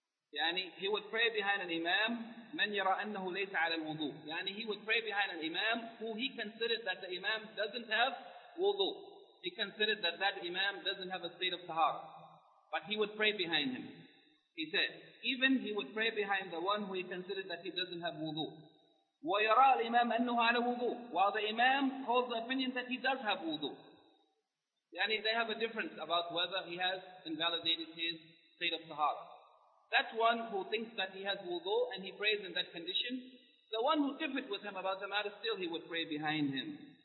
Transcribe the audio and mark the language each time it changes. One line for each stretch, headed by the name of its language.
English: Yani he would pray behind an imam,
Arabic: من يرى أنه ليس على الوضوء.
English: يعني he would pray behind an imam who he considered that the imam doesn't have wudu. He considered that that imam doesn't have a state of tahara. But he would pray behind him. He said, even he would pray behind the one who he considered that he doesn't have wudu.
Arabic: ويرى الإمام أنه على الوضوء.
English: While the imam holds the opinion that he does have wudu. يعني they have a difference about whether he has invalidated his state of tahara. That one who thinks that he has wudu and he prays in that condition, the one who differed with him about the matter, still he would pray behind him.